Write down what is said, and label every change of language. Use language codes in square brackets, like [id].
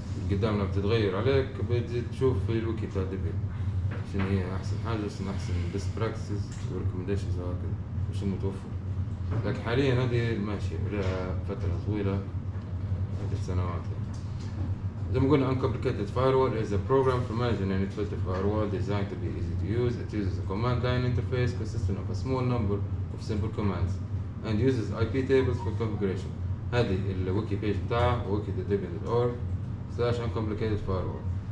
[ar] قدامنا بتتغير عليك بتزيد تشوف في الويكي بتاع ديبيان شنو هي احسن حاجه شنو احسن بيست براكتسز وريكومنديشنز وهكذا وشنو متوفر. لكن حاليا هذه ماشيه لها فتره طويله عده سنوات. زي ما قلنا [en] uncomplicated firewall is a program for managing and effective firewall designed to be easy to use. It uses a command line interface consisting of a small number of simple commands and uses IP tables for configuration. [ar] هذه الويكي بيج بتاع wiki.debian.org/uncomplicated firewall.